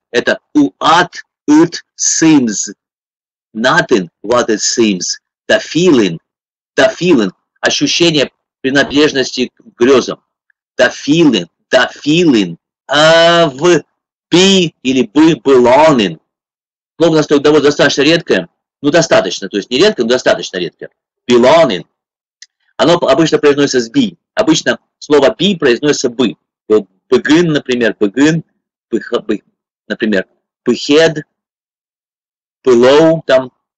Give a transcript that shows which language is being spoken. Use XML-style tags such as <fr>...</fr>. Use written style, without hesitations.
<en>Это what it seems. Nothing what it seems. The feeling. The feeling.</en> <ru>Ощущение принадлежности к грезам.</ru> <en>The feeling. The feeling. Of be или be belonging.</en> <ru>Слово у нас довольно достаточно редкое. Ну, достаточно. То есть не редко, но достаточно редкое.</ru> <en>Belonging.</en> <ru>Оно обычно произносится с be. Обычно слово be произносится бы.</ru> <en>Begin, например, begin, например, behead, below, там.</en>